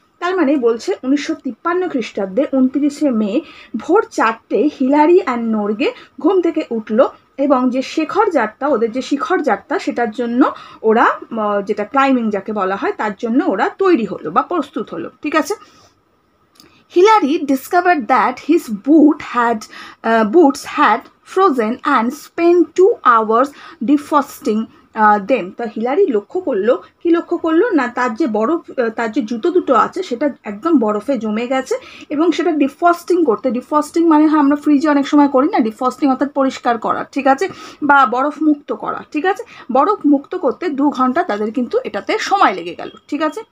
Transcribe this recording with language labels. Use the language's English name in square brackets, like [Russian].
[Bangla] তার মানে বলছে 1953 খ্রিস্টাব্দে 29 মে ভোর 4টে হিলারি অ্যান্ড নোরগে ঘুম থেকে উঠল এবং যে শেখর যাত্রা, ওদের যে শিখর যাত্রা সেটার জন্য ওরা, যেটা ক্লাইম্বিং যাকে বলা হয়, তার জন্য ওরা তৈরি হলো বা প্রস্তুত হলো, ঠিক আছে। [English] Hilary discovered that his boots had frozen and spent 2 hours defrosting them. [Bangla] তো হিলারি লক্ষ্য করলো, কি লক্ষ্য করলো, না তার যে বরফ, তার যে জুতো দুটো আছে সেটা একদম বরফে জমে গেছে এবং সেটা ডিফ্রস্টিং করতে, ডিফ্রস্টিং মানে হয় আমরা ফ্রিজে অনেক সময় করি না, ডিফ্রস্টিং অর্থাৎ পরিষ্কার করা, ঠিক আছে, বা বরফ মুক্ত করা, ঠিক আছে, বরফ মুক্ত করতে 2 ঘন্টা তাদের কিন্তু এটাতে সময় লেগে গেল, ঠিক আছে।